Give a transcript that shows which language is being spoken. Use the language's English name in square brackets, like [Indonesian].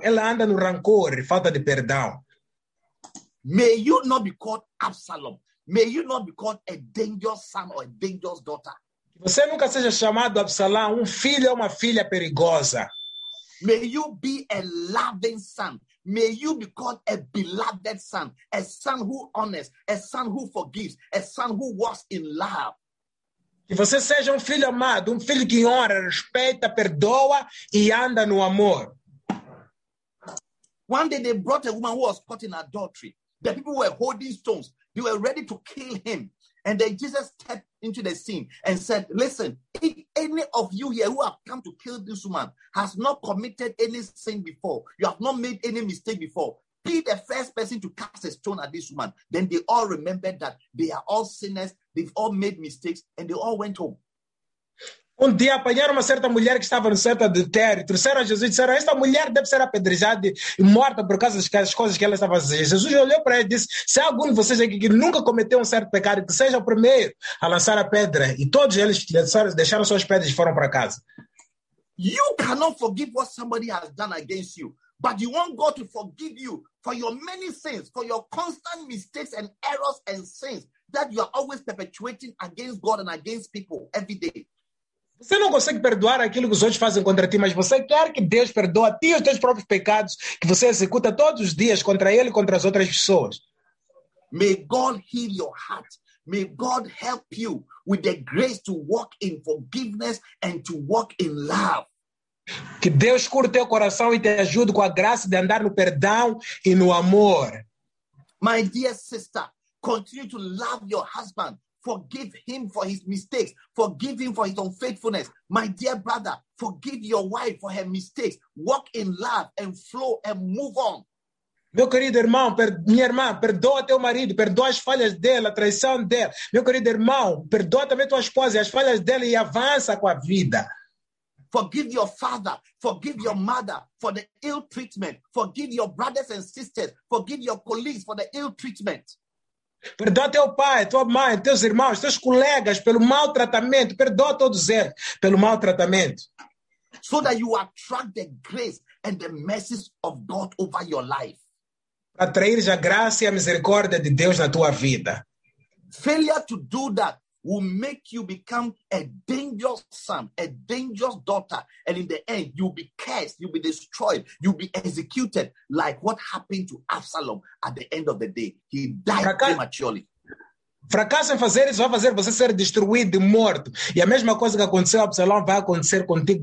[Portuguese] Ele anda no rancor e falta de perdão. [English] May you not be called Absalom. May you not be called a dangerous son or a dangerous daughter. [Portuguese] Você nunca seja chamado Absalão, filho ou uma filha perigosa. [English] May you be a loving son. May you be called a beloved son, a son who honors, a son who forgives, a son who walks in love. [Portuguese] Que você seja um filho amado, um filho que honra, respeita, perdoa e anda no amor. [English] One day they brought a woman who was caught in adultery. The people were holding stones. They were ready to kill him. And then Jesus stepped into the scene and said, listen, if any of you here who have come to kill this woman has not committed any sin before, you have not made any mistake before, be the first person to cast a stone at this woman. Then they all remembered that they are all sinners, they've all made mistakes, and they all went home. [Portuguese] Um dia apanharam uma certa mulher que estava no certo adultério, trouxeram a Jesus e disseram, esta mulher deve ser apedrejada e morta por causa das coisas que ela estava a fazer. Jesus olhou para ele e disse, se há algum de vocês aqui que nunca cometeu um certo pecado, que seja o primeiro a lançar a pedra. E todos eles deixaram suas pedras e foram para casa. [English] You cannot forgive what somebody has done against you, but you want God to forgive you for your many sins, for your constant mistakes and errors and sins that you are always perpetuating against God and against people every day. [Portuguese] Você não consegue perdoar aquilo que os outros fazem contra ti, mas você quer que Deus perdoe a ti os teus próprios pecados que você executa todos os dias contra Ele e contra as outras pessoas. [English] May God heal your heart. May God help you with the grace to walk in forgiveness and to walk in love. [Portuguese] Que Deus cure teu coração e te ajude com a graça de andar no perdão e no amor. [English] My dear sister, continue to love your husband. Forgive him for his mistakes. Forgive him for his unfaithfulness. My dear brother, forgive your wife for her mistakes. Walk in love and flow and move on. [Portuguese] Meu querido irmão, minha irmã, perdoa teu marido, perdoa as falhas dele, a traição dele. Meu querido irmão, perdoa também tua esposa e as falhas dele e avança com a vida. [English] Forgive your father, forgive your mother for the ill treatment. Forgive your brothers and sisters, forgive your colleagues for the ill treatment. [Portuguese] Perdoa teu pai, tua mãe, teus irmãos, teus colegas pelo mau tratamento. Perdoa todos eles pelo mau tratamento. [English] So that you attract the grace and the mercies of God over your life. [Portuguese] Para atrair a graça e a misericórdia de Deus na tua vida. [English] Failure to do that will make you become a dangerous son, a dangerous daughter. And in the end, you'll be cursed, you'll be destroyed, you'll be executed, like what happened to Absalom at the end of the day. He died prematurely. [Portuguese] Fracasso em fazer isso vai fazer você ser destruído e morto. E a mesma coisa que aconteceu a Absalom vai acontecer contigo.